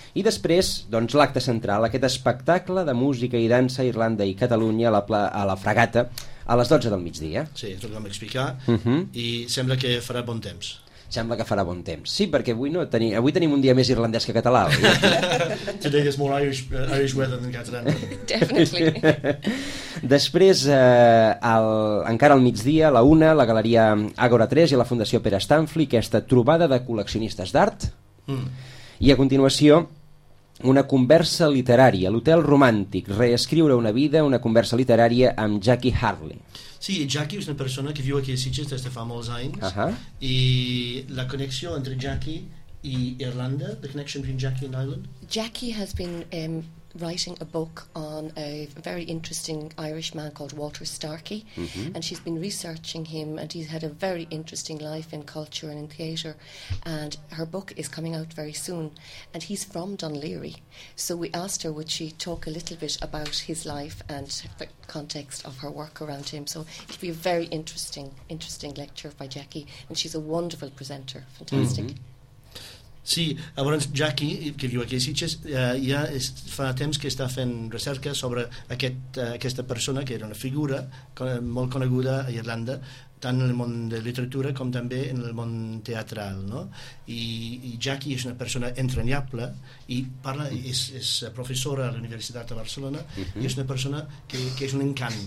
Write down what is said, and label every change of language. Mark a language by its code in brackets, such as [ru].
[ca] I després, doncs, l'acte central, aquest espectacle de música i dansa Irlanda i Catalunya a la Fregata a 12:00. Sí, és el que vam explicar. I sembla que farà bon temps. Sembla que farà bon temps. Sí, perquè avui tenim un dia més irlandès que català. [en] Today there's more Irish weather than Catalan. Definitely. [ca] Després, encara al migdia, a 1:00, la Galeria Ágora 3 i la Fundació Pere Stanfli, aquesta trobada de col·leccionistes d'art. I a continuació, una conversa literària, l'Hotel Romàntic, reescriure una vida, una conversa literària amb Jackie Hartley. Sí, Jackie és una persona que viu aquí a Sitges des de fa molts anys, i la connexió entre Jackie i Irlanda, [en] the connection between Jackie and Ireland. Jackie has been writing a book on a very interesting Irish man called Walter Starkey, and she's been researching him, and he's had a very interesting life in culture and in theatre, and her book is coming out very soon, and he's from Dunleary, so we asked her would she talk a little bit about his life and the context of her work around him. So it'll be a very interesting lecture by Jackie, and she's a wonderful presenter, fantastic. [ca] Sí, llavors Jackie, que viu aquí a Sitges, ja fa temps que està fent recerca sobre aquesta persona, que era una figura molt coneguda a Irlanda, tant en el món de literatura com també en el món teatral, no? I Jackie és una persona entranyable i parla, és professora a la Universitat de Barcelona, i és una persona que és un encant.